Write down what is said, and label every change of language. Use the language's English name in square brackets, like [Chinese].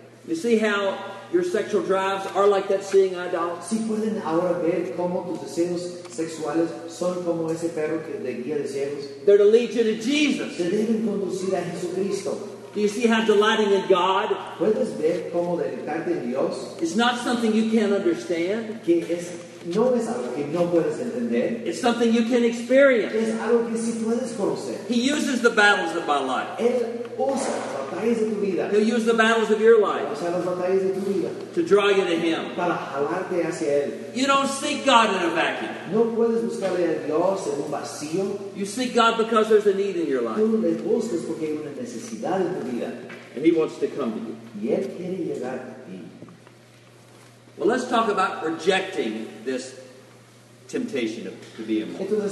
[English] You see how your sexual drives are like that seeing eye dog? [Spanish] ¿Sí pueden ahora ver cómo tus deseos sexuales son como ese perro que le guía de ciegos? [English] They're to lead you to Jesus. [Spanish] Te deben conducir a Jesucristo. [English] Do you see how delighting in God? [Spanish] ¿Puedes ver cómo deleitarte en Dios? [English] It's not something you can't understand. [Spanish] Que es no es algo que no puedes entender. [English] It's something you can experience. [Spanish] Es algo que sí puedes conocer. [English] He uses the battles of my life. [Spanish] Él usa las batallas de tu vida. [English] He'll use the battles of your life. [Spanish] Usa las batallas de tu vida. [English] To draw you to Him. [Spanish] Para jalarte hacia Él. [English] You don't seek God in a vacuum. [Spanish] No puedes buscarle a Dios en un vacío. [English] You seek God because there's a need in your life. [Spanish] Tú le buscas porque hay una necesidad en tu vida. [English] And He wants to come to you. [Spanish] Y Él quiere llegar. [English] Well, let's talk about rejecting this temptation to be immoral.